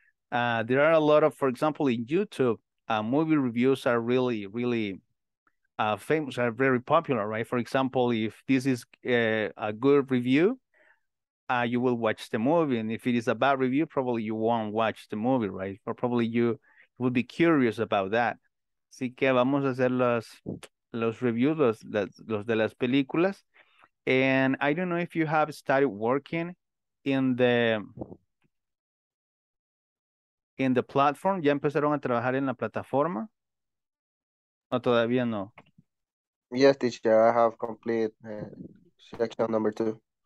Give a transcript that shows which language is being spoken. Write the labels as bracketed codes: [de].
[en] There are a lot of, for example, in YouTube, movie reviews are really, really famous, are very popular, right? For example, if this is a good review, you will watch the movie. And if it is a bad review, probably you won't watch the movie, right? Or probably you will be curious about that. [es] Así que vamos a hacer los reviews, los de las películas. [en] And I don't know if you have started working in the platform. [es] ¿Ya empezaron a trabajar en la plataforma? ¿O todavía no? [en] Yes, teacher, I have complete section number 2.